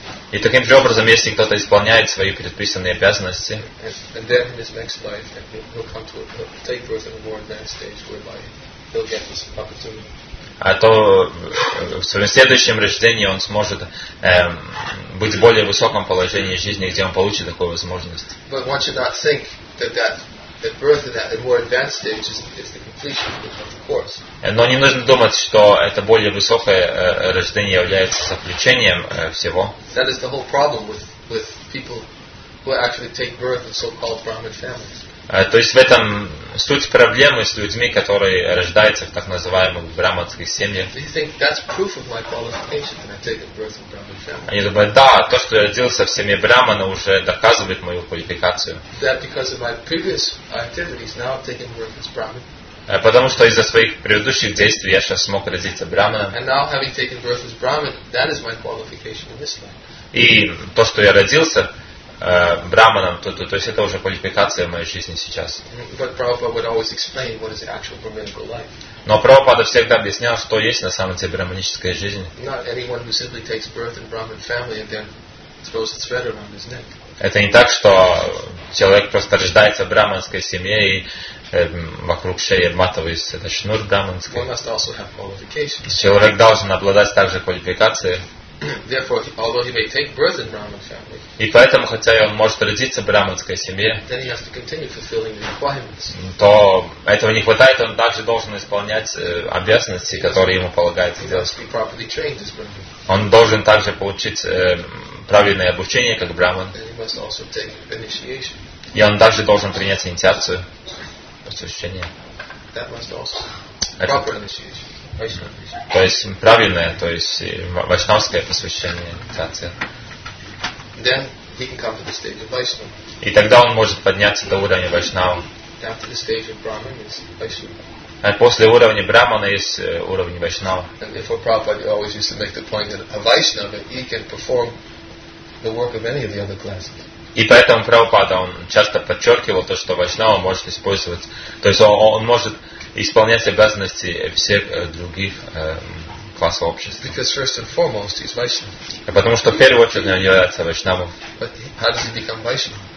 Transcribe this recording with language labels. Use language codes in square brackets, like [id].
[ru] И таким же образом, если кто-то исполняет свои предписанные обязанности, [en] and then in his next life, he'll come to take birth in a more advanced stage, whereby he'll get this opportunity. [ru] А то в своем следующем рождении он сможет быть в более высоком положении жизни, где он получит такую возможность. [en] But one should not think that that birth in that more advanced stage is the completion of the course. [ru] Но не нужно думать, что это более высокое рождение является заключением всего. [en] That is the whole problem with people who actually take birth in so-called Brahmin families. [ru] То есть в этом суть проблемы с людьми, которые рождаются в так называемых брахманских семьях. [en] You think that's proof of my qualification that I take birth in Brahmin family? [ru] Они думают, да, то, что я родился в семье брахмана, уже доказывает мою квалификацию. [en] That because of my previous activities, now I've taken birth as Brahmin. [ru] Потому что из-за своих предыдущих действий я сейчас смог родиться брахманом. [en] And now having taken birth as Brahmin, that is my qualification in this life. [ru] И то, что я родился брахманом, то есть это уже квалификация в моей жизни сейчас. [en] But Prabhupada would always explain what is the actual brahminical life. [ru] Но Прабхупада всегда объяснял, что есть на самом деле брахманическая жизнь. [en] Not anyone who simply takes birth in Brahmin family and then throws its feather around his neck. [ru] Это не так, что человек просто рождается в брахманской семье и вокруг шеи обматывается этот шнур брахманский. [en] One must also have qualifications. [ru] Человек должен обладать также квалификацией. [en] Therefore, although he may take birth in Brahmin family, [ru] и поэтому, хотя он может родиться в брахманской семье, [en] then he has to continue fulfilling the requirements. [ru] То этого не хватает, он также должен исполнять обязанности, которые ему полагается делать. [en] He must be properly trained as Brahmin. [ru] Он должен также получить правильное обучение как брахман. [en] And he must also take initiation. [ru] И он также должен принять инициацию посвящения. [en] That must also proper initiation. [ru] То есть правильное, то есть вайшнавское посвящение, инициация. [en] Then he can come to the stage of Vaishnava. [ru] И тогда он может подняться до уровня вайшнава. [en] After the stage of Brahman is Vaishnava. [ru] А после уровня брахмана есть уровень вайшнава. [en] And therefore Prabhupada always used to make the point that a Vaishnava, he can perform the work of any of the other classes. [ru] И поэтому Прабхупада, он часто подчеркивал то, что вайшнава может использовать, то есть он может исполнять обязанности всех других классов общества. [en] Because first and foremost, he's Vaishnava. [ru] Потому что в первую очередь он является вайшнавом. [en] But how does he become Vaishnava?